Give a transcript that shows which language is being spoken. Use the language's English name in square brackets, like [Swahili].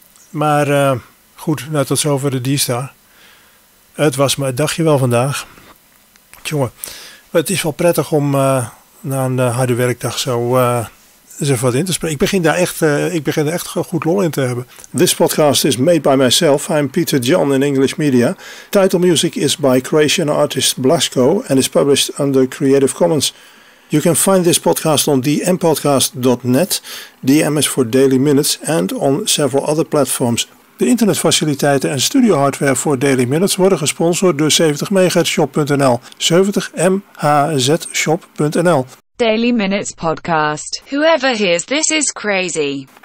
[Dutch] Maar goed, nou, tot zover de D-Star. Het was mijn dagje wel vandaag. Jongen, het is wel prettig om na een harde werkdag zo... Dus even wat in te spreken. Ik begin daar echt goed lol in te hebben. [English] This podcast is made by myself. I'm Peter John in English Media. Title music is by Croatian artist Blasco and is published under Creative Commons. You can find this podcast on dmpodcast.net. DM is for Daily Minutes and on several other platforms. [Dutch] De internetfaciliteiten en studio hardware voor Daily Minutes worden gesponsord door 70MHzShop.nl. 70MHzShop.nl. [English] Daily Minutes Podcast. Whoever hears this is crazy.